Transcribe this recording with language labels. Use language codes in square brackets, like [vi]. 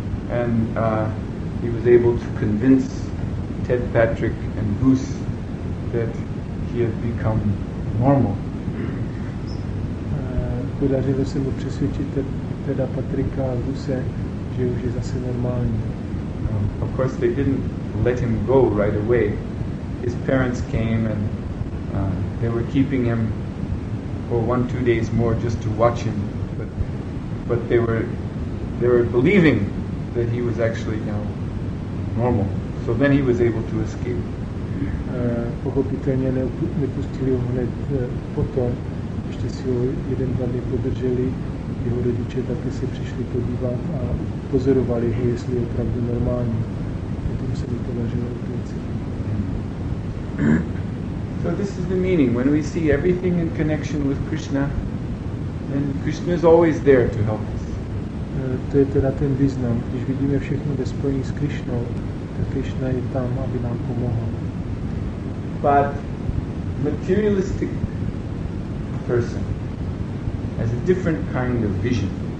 [en] And he was able to convince Ted Patrick and Goose that he had become normal. [cs] Podařilo se mu přesvědčit teda Patrika a Goose, že už je zase normální. [en] Of course they didn't let him go right away. His parents came and they were keeping him for 1-2 days more just to watch him, but they were believing that he was actually now normal. So then he was able to escape. [cs] Pochopitelně nepustili ho hned potom, ještě si ho 1-2 dny podrželi, jeho rodiče taky se přišli podívat a pozorovali ho, jestli je opravdu normální. Potom se mi podařilo utéct. [en] So this is the meaning. When we see everything in connection with Krishna, then Krishna is always there to help us. [cs] To je teda ten význam. Když vidíme všechno ve spojení s Krišnou, tak Krišna je tam, aby nám pomohl. [en] But materialistic person has a different kind of vision.